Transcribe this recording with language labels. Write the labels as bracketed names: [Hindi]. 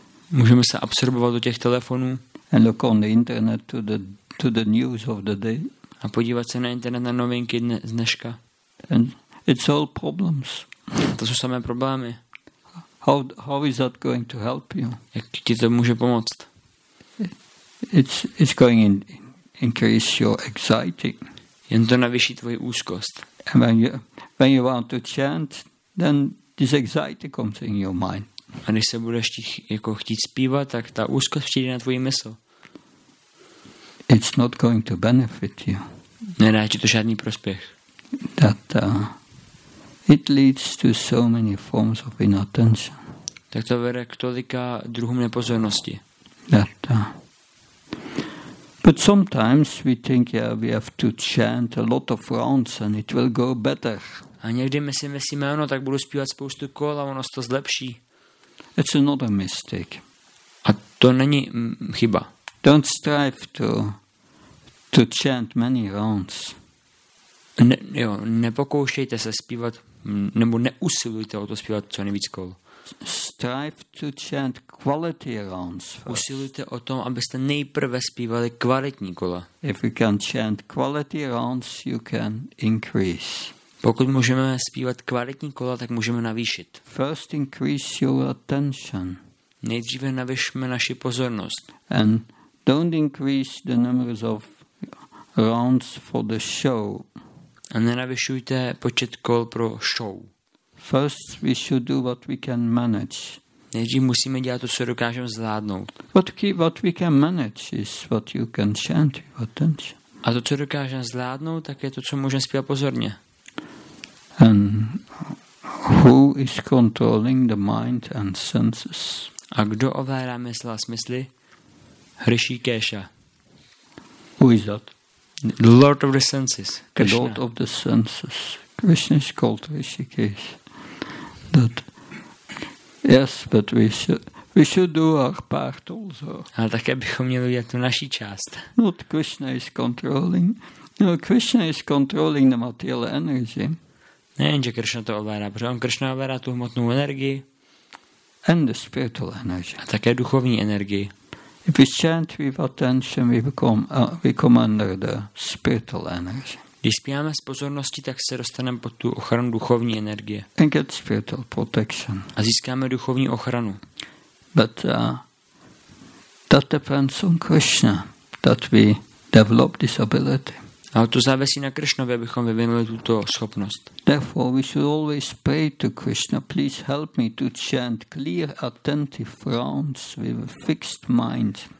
[Czech] Můžeme se absorbovat do těch telefonů. [English] And look on the internet to the news of the day. [Czech] A podívat se na internet na novinky dneška. [English] And it's all problems. [Czech] A to jsou samé problémy. [English] How is that going to help you? [Czech] Jak ti to může pomoct? [English] It's going to increase your anxiety. [Czech] Jen to navýší tvoji úzkost. [English] And when you want to chant, then this anxiety comes in your mind. [Czech] A když se budeš chtít zpívat, tak ta úzkost přijde na tvoji mysl. [English] It's not going to benefit you. [Czech] Nedá ti to žádný prospěch. [English] That it leads to so many forms of inattention. [Czech] Tak to vede k tolika druhům nepozornosti. [English] That, but sometimes we think we have to chant a lot of rounds and it will go better. [Czech] A někdy myslíme, ano, tak budu zpívat spoustu kol a ono se to zlepší. [English] It's another mistake. [Czech] A to není chyba. [English] Don't strive to chant many rounds. [Czech] Nepokoušejte se zpívat, nebo neusilujte o to zpívat co nejvíc kol. [English] Strive to chant quality rounds first. [Czech] Usilujte o tom, abyste nejprve zpívali kvalitní kola. [English] If you can chant quality rounds, you can increase. [Czech] Pokud můžeme zpívat kvalitní kola, tak můžeme navýšit. [English] First increase your attention. [Czech] Nejdříve navýšme naši pozornost. [English] And don't increase the numbers of rounds for the show. [Czech] A nenavyšujte počet kol pro show. [English] First we should do what we can manage. [Czech] Nejdřív musíme dělat to, co dokážeme zvládnout. [English] What we can manage is what you can chant your attention. [Czech] A to, co dokážeme zvládnout, tak je to, co můžeme zpívat pozorně. [English] And who is controlling the mind and senses? [Czech] A kdo ovládá mysl a smysly? [English] Hrishi Kesha. Who is that? The Lord of the Senses, Krishna. The Lord of the Senses. Krishna is called Hrishi Kesha. That, yes, but we should do our part also. [Czech] Ale také bychom měli udělat tu naší část. [English] Not Krishna is controlling. No, Krishna is controlling the material energy. [Czech] Nejenže Krishna to ovládá, protože on Krishna ovládá tu hmotnou energii. [English] And the spiritual energy. [Czech] A také duchovní energii. [English] If we chant with attention, we come under the spiritual energy. [Czech] Když zpíváme s pozorností, tak se dostaneme pod tu ochranu duchovní energie. [English] And get spiritual protection. [Czech] A získáme duchovní ochranu. [English] But that depends on Krishna, that we develop this ability. [Czech] Ale to závisí na Krishnovi, abychom vyvinuli tuto schopnost. [English] Therefore, we should always pray to Krishna, please help me to chant clear, attentive rounds with a fixed mind.